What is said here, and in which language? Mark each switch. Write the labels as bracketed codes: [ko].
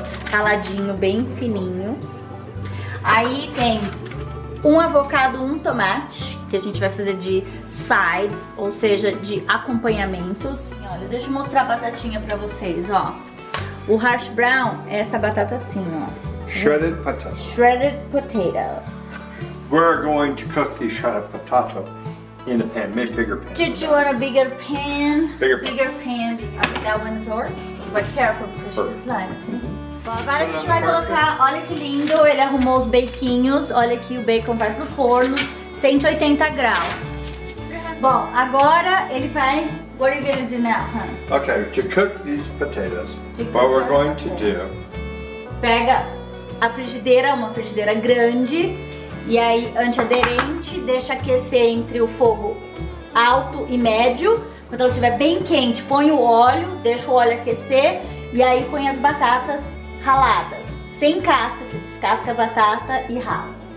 [pt] Raladinho, bem fininho. Aí tem um avocado, um tomate, que a gente vai fazer de sides, ou seja, de acompanhamentos. Olha, deixa eu mostrar a batatinha pra vocês, ó. O hash brown é essa batata assim, ó. [en] Shredded potato. Shredded potato. We're going to cook the shredded potato in a pan. Make bigger pan. Did you want a bigger pan? Bigger pan. That one's ours. But careful, because it's slime. [pt] Bom, agora a gente vai colocar, olha que lindo, ele arrumou os bequinhos. Olha aqui, o bacon vai pro forno, 180 graus. Bom, agora ele vai... [en] What are you going to do now, huh? Okay, to cook these potatoes, what we're going to do... [pt] Pega a frigideira, uma frigideira grande, e aí antiaderente, deixa aquecer entre o fogo alto e médio. Quando ela estiver bem quente, põe o óleo, deixa o óleo aquecer, e aí põe as batatas raladas, sem casca, você descasca a batata e rala.